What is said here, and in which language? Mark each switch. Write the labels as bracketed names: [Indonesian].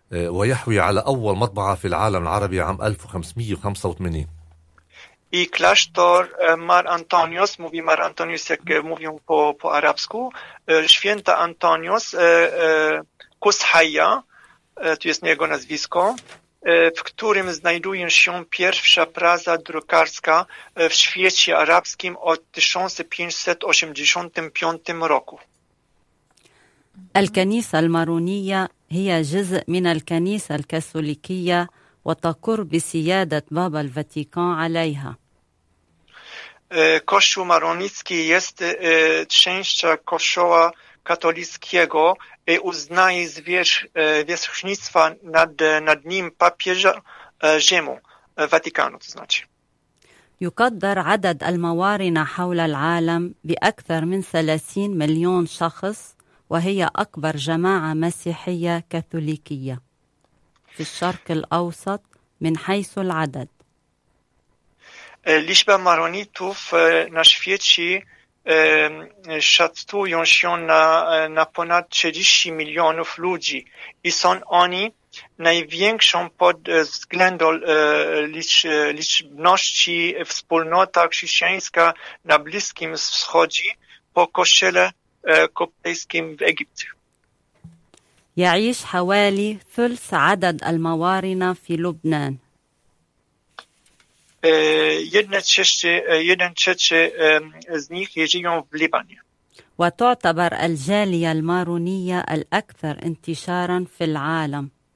[Arabic] ويحوي على أول مطبعة في العالم العربي عام 1585. [Polish] I klasztor Mar Antonius, mówi Mar Antonius, jak mówią po arabsku, święta Antonius Kushaja, to jest jego nazwisko, w którym znajduje się pierwsza praza drukarska w świecie arabskim od 1585 roku. [Arabic] الكنيسة المارونية هي جزء من الكنيسة الكاثوليكية وتقر بسيادة بابا الفاتيكان عليها. [Polish] Kościół maroński jest częścią kościoła katolickiego i uznaje zwierzchnictwa nad nim papieża Rzymu, Watykanu to znaczy. [Arabic] يقدر عدد الموارنة حول العالم بأكثر من 30 مليون شخص وهي أكبر جماعة مسيحية كاثوليكية في الشرق الأوسط من حيث العدد. [Polish] Liczba maronitów na świecie szacują się na ponad 30 milionów ludzi i są oni największą pod względem liczebności wspólnota chrześcijańska na Bliskim Wschodzie po kościele koptyjskim w Egipcie. [Arabic] يعيش حوالي ثلث عدد الموارنة في لبنان. [Polish] 1/3 z nich żyją w Libanie. [Arabic] وتعتبر الجالية المارونية الأكثر انتشارا في العالم.